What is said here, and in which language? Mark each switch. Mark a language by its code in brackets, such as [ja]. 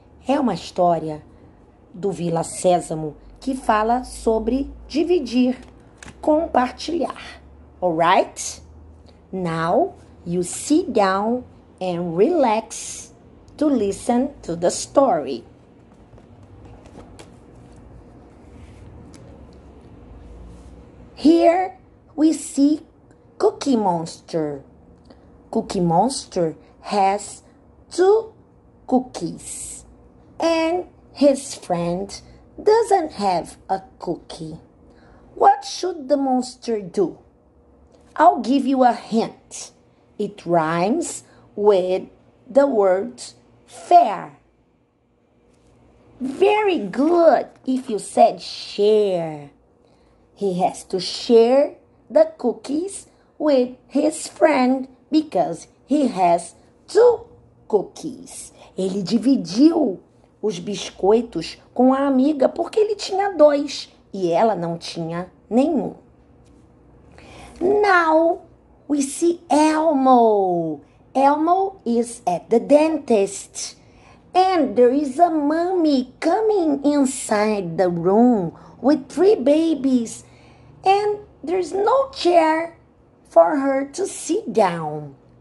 [pt] É uma história do Vila Sésamo que fala sobre dividir, compartilhar, [en] alright? Now you sit down and relax to listen to the story. Here we see Cookie Monster. Cookie Monster has two cookies, and his friend doesn't have a cookie. What should the monster do? I'll give you a hint. It rhymes with the word fair. Very good if you said share. He has to share the cookies with his friend because he has two cookies. [pt] Ele dividiu os biscoitos com a amiga porque ele tinha dois e ela não tinha nenhum. [en] Now we see Elmo. Elmo is at the dentist, and there is a mummy coming inside the room with three babies, and there's no chair for her to sit down.